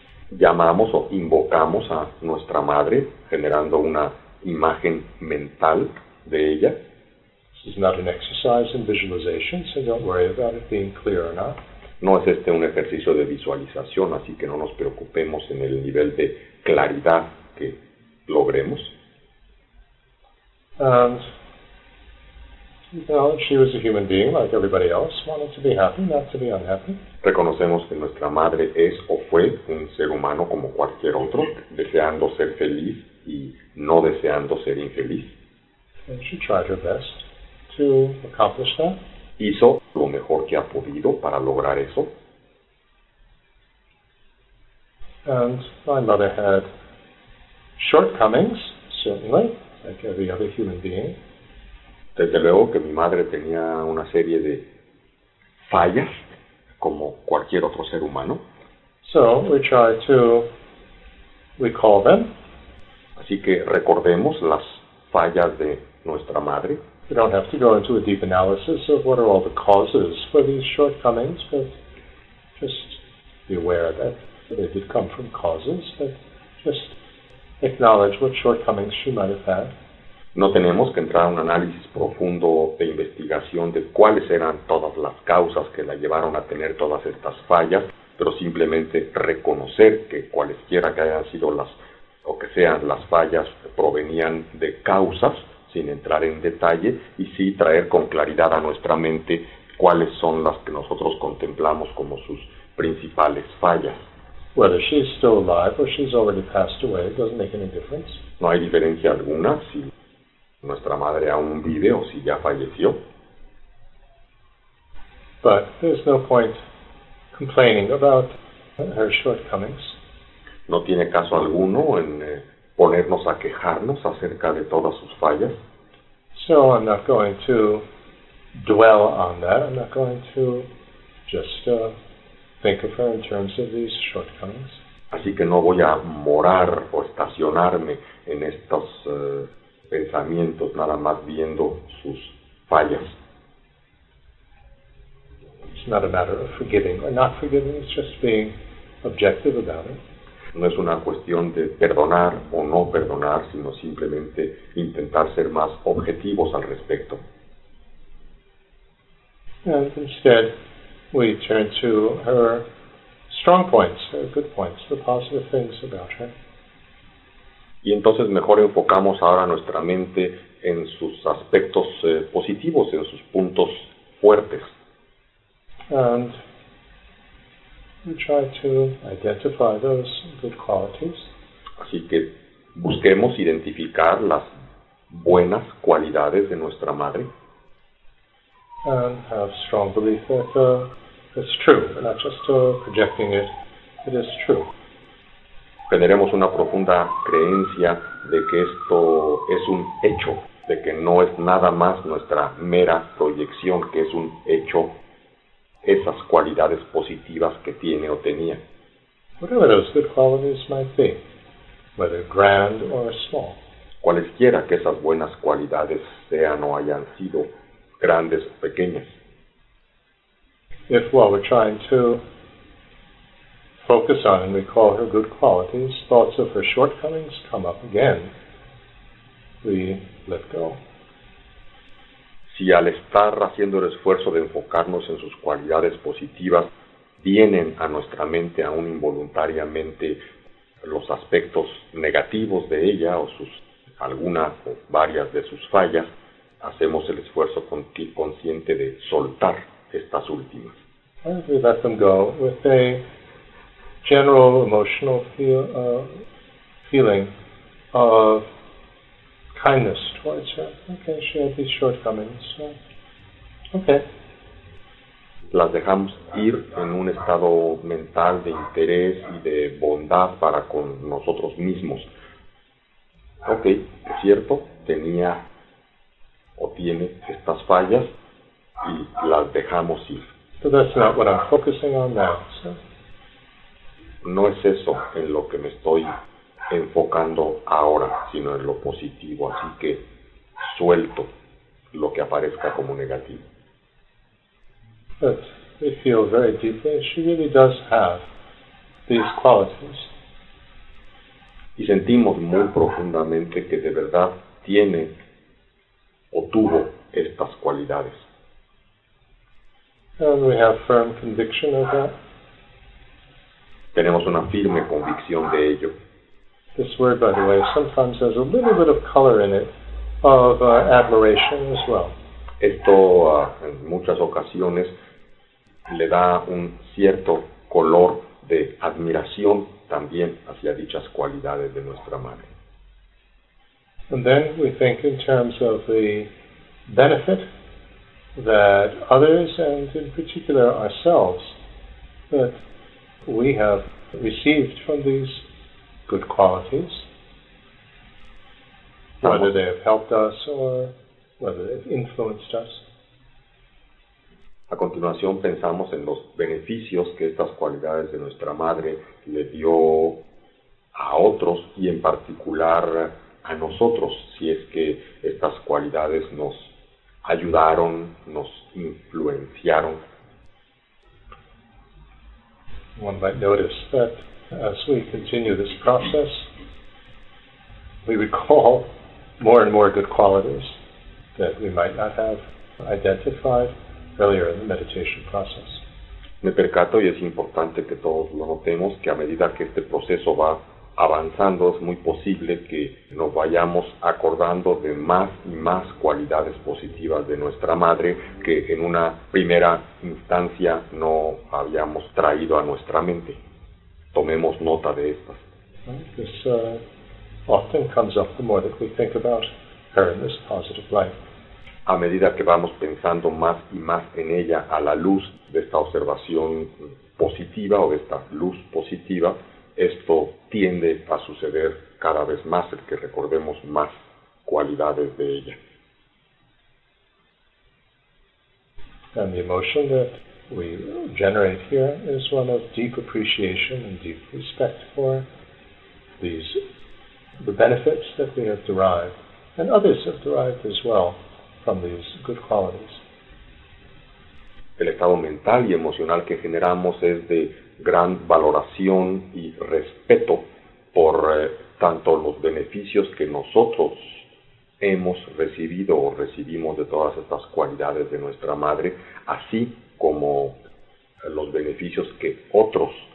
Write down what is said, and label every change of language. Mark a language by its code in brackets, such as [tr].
[es] Llamamos o invocamos a nuestra madre, generando una imagen mental de ella. [en] This is not an exercise in visualization, so don't worry about it being clear or not. [es] No es este un ejercicio de visualización, así que no nos preocupemos en el nivel de claridad que logremos. [en] And, well, she was a human being like everybody else, wanted to be happy, not to be unhappy. [es] Reconocemos que nuestra madre es o fue un ser humano como cualquier otro, deseando ser feliz y no deseando ser infeliz. [en] And she tried her best to accomplish that. [es] Hizo lo mejor que ha podido para lograr eso. [en] And my mother had shortcomings, certainly, like every other human being. [es] Desde luego que mi madre tenía una serie de fallas, como cualquier otro ser humano. [en] So we try to recall them. [es] Así que recordemos las fallas de nuestra madre. [en] We don't have to go into a deep analysis of what are all the causes for these shortcomings, but just be aware that they did come from causes, but just acknowledge what shortcomings she might have had. [es] No tenemos que entrar a un análisis profundo de investigación de cuáles eran todas las causas que la llevaron a tener todas estas fallas, pero simplemente reconocer que cualesquiera que hayan sido las, o que sean las fallas, provenían de causas, sin entrar en detalle, y sí traer con claridad a nuestra mente cuáles son las que nosotros contemplamos como sus principales fallas. [en] Whether she's still alive or she's already passed away, it doesn't make any difference. [es] No hay diferencia alguna si nuestra madre aún vive o si ya falleció. [en] But there's no point complaining about her shortcomings. [es] No tiene caso alguno en ponernos a quejarnos acerca de todas sus fallas. [en] So I'm not going to dwell on that. I'm not going to just think of her in terms of these shortcomings. [es] Así que no voy a morar o estacionarme en estos pensamientos, nada más viendo sus fallas. [en] It's not a matter of forgiving or not forgiving, it's just being objective about it. [es] No es una cuestión de perdonar o no perdonar, sino simplemente intentar ser más objetivos al respecto. [en] And instead, we turn to her strong points, good points, the positive things about her. [es] Y entonces mejor enfocamos ahora nuestra mente en sus aspectos positivos, en sus puntos fuertes. [en] And we try to identify those good qualities. [es] Así que busquemos identificar las buenas cualidades de nuestra madre. [en] And have strong belief that it's true, not just projecting it, it is true. [es] Generemos una profunda creencia de que esto es un hecho, de que no es nada más nuestra mera proyección, que es un hecho, esas cualidades positivas que tiene o tenía. [en] Whatever those good qualities might be, whether grand or small. [es] Cualesquiera que esas buenas cualidades sean o hayan sido, grandes o pequeñas. [en] If while we're trying to focus on and recall her good qualities, thoughts of her shortcomings come up again, we let go. [es] Si al estar haciendo el esfuerzo de enfocarnos en sus cualidades positivas, vienen a nuestra mente aún involuntariamente los aspectos negativos de ella o sus algunas o varias de sus fallas, hacemos el esfuerzo consciente de soltar estas últimas. [en] And we let them go with a general emotional feeling of kindness towards her. Okay, she had these shortcomings, so, okay. [es] Las dejamos ir en un estado mental de interés y de bondad para con nosotros mismos. Okay, es cierto, tenía o tiene estas fallas y las dejamos ir. [en] So that's not what I'm focusing on now, sir. [es] No es eso en lo que me estoy enfocando ahora, sino en lo positivo. Así que suelto lo que aparezca como negativo. [en] But we feel very deeply she really does have these qualities. [es] Y sentimos muy profundamente que de verdad tiene o tuvo estas cualidades. [en] And we have firm conviction of that. [es] Tenemos una firme convicción de ello. [en] This word, by the way, sometimes has a little bit of color in it, of admiration as well. [es] Esto, en muchas ocasiones, le da un cierto color de admiración también hacia dichas cualidades de nuestra madre. [en] And then we think in terms of the benefit that others, and in particular ourselves, that we have received from these good qualities, whether they have helped us or whether they have influenced us. [es] A continuación pensamos en los beneficios que estas cualidades de nuestra madre le dio a otros y en particular a nosotros, si es que estas cualidades nos ayudaron, nos influenciaron. [en] One might notice that as we continue this process, we recall more and more good qualities that we might not have identified earlier in the meditation process. [es] Me percato, y es importante que todos lo notemos, que a medida que este proceso va avanzando, es muy posible que nos vayamos acordando de más y más cualidades positivas de nuestra madre que en una primera instancia no habíamos traído a nuestra mente. Tomemos nota de estas. [en] This often comes up the more that we think about her in this positive light. [es] A medida que vamos pensando más y más en ella a la luz de esta observación positiva o de esta luz positiva, esto tiende a suceder cada vez más, el que recordemos más cualidades de ella. [en] And the emotion that we generate here is one of deep appreciation and deep respect for these, the benefits that we have derived, and others have derived as well from these good qualities. [es] El estado mental y emocional que generamos es de gran valoración y respeto por tanto los beneficios que nosotros hemos recibido o recibimos de todas estas cualidades de nuestra madre, así como los beneficios que otros